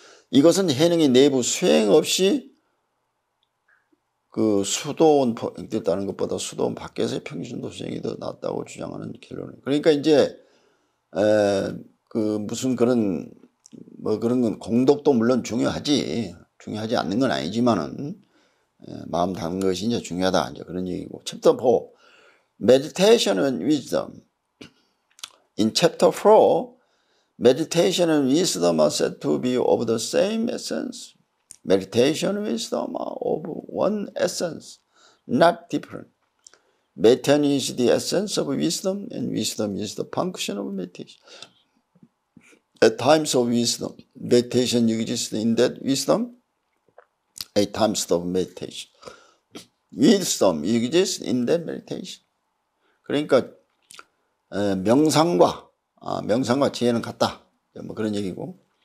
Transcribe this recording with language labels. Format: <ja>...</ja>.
<ko>이것은 해능이 내부 수행 없이 그 수도원 됐다는 것보다 수도원 밖에서의 평신도수행이 더 낫다고 주장하는 결론. 그러니까 이제 그 무슨 그런 뭐 그런 건 공덕도 물론 중요하지 중요하지 않는 건 아니지만은 마음 담은 것이 이제 중요하다 이제 그런 얘기고.</ko> <en>챕터 4, Meditation and Wisdom. In Chapter 4, Meditation and Wisdom are said to be of the same essence. Meditation and Wisdom are of one essence, not different. Meditation is the essence of wisdom, and wisdom is the function of meditation. At times of wisdom, meditation exists in that wisdom. At times of meditation, wisdom exists in that meditation.</en> <ko>그러니까 명상과 지혜는 같다. 뭐 그런 얘기고.</ko>